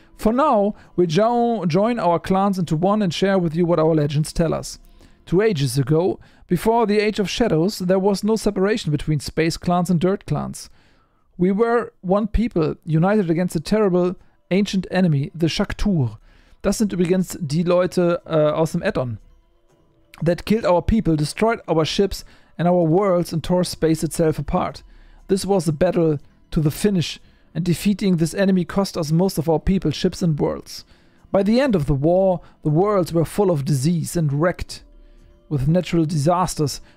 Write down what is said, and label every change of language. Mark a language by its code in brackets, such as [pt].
[en] For now, we join our clans into one and share with you what our legends tell us. 2 ages ago, before the Age of Shadows, there was no separation between space clans and dirt clans. We were one people, united against a terrible ancient enemy, the Shaktur. [de] Das sind übrigens die Leute aus dem Add-on. [en] That killed our people, destroyed our ships and our worlds and tore space itself apart. This was a battle to the finish, and defeating this enemy cost us most of our people, ships and worlds. By the end of the war, the worlds were full of disease and wrecked with natural disasters.